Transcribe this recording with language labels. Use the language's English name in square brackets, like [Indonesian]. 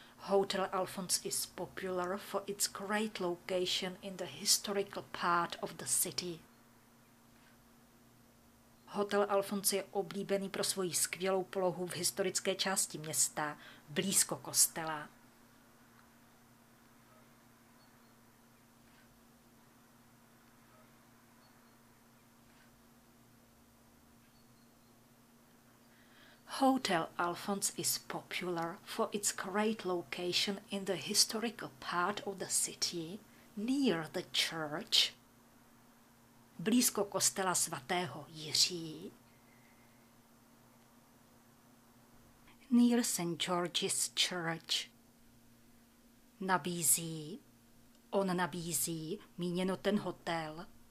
[English] Hotel Alfons is popular for its great location in the historical part of the city. [Czech] Hotel Alfons je oblíbený pro svoji skvělou polohu v historické části města, blízko kostela. [English] Hotel Alfons is popular for its great location in the historical part of the city, near the church. [Czech] Blízko kostela svatého Jiří. [English] Near St. George's Church. [Czech] Nabízí. On nabízí, míněno ten hotel.